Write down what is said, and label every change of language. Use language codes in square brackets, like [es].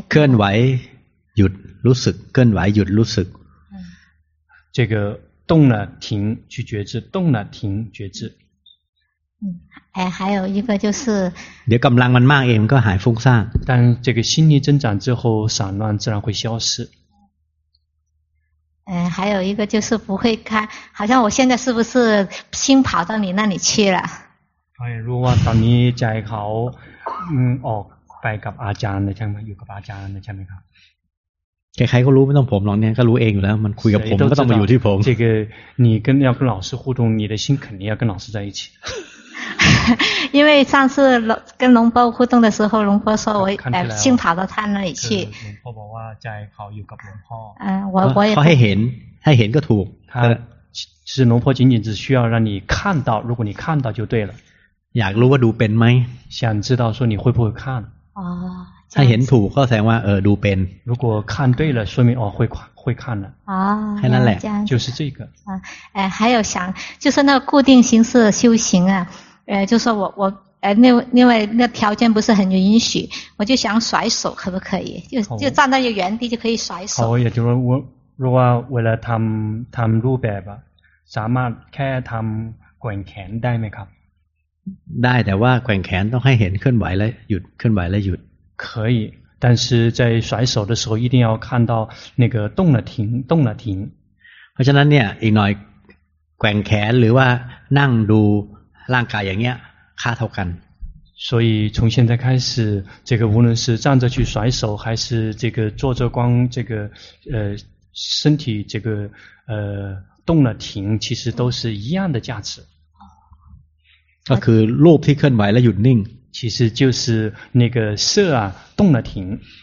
[th] เคลื่อนไหวหยุดรู้สึกเคลื่อนไหวหยุดรู้สึก [zh] 这个动了停去觉知动了停觉知还有一个就是 [th] เดี๋ยวกำลังมันมากเองก็หายฟุ้งซ่าน [zh] 但这个心力增长之后散乱自然会消失还有一个就是不会看好像我现在是不是心跑到你那里去了如果 [th] ตอนนี้ใจเขาออกไปกับอาจารย์ใช่ไหมอยู่กับอาจารย์ใช่ไหมครับ ใครๆก็รู้ไม่ต้องผมหรอกเนี่ยก็รู้เองอยู่แล้วมันคุยกับผมก็ต้องมาอยู่ที่ผม [zh] 这个你跟要跟老师互动你的心肯定要跟老师在一起因为上次跟龙波互动的时候龙波说我心跑到他那里去龙波说 [th] ใจเขาอยู่กับหลวงพ่อ [zh] 我也他 [th] ให้เห็นให้เห็นก็ถูก [zh] 他其实龙波仅仅只需要让你看到如果你看到就对了 [th] อยากรู้ว่าดูเป็นไหม [zh] 想知道说你会不会看 [th] ถ้าเห็นถูกก็แสดงว่าดูเป็น [zh] 如果看对了说明会看了 [th] แค่นั้นแหละ [zh] 就是这个还有想就是那个固定形式修行啊就说我另外那条件不是很允许我就想甩手可不可以就站在原地就可以甩手好也就是说如果为了他们路北吧 [th] สามารถแค่ทำแกว่งแขนได้ไหมครับ ได้แต่ว่าแกว่งแขนต้องให้เห็นเคลื่อนไหวและหยุดเคลื่อนไหวและหยุด [zh] 可以但是在甩手的时候一定要看到那个动了停动了停 [th] เพราะฉะนั้นเนี่ยอีกหน่อยแกว่งแขนหรือว่านั่งดูร่างกายอย่างเงี้ยค่าเท่ากัน [zh] 所以从现在开始这个无论是站着去甩手还是这个坐着光这个身体这个动了停其实都是一样的价值 [th] ก็คือรูปที่เคลื่อนไหวและหยุดนิ่ง [zh] 其实就是那个色啊动了停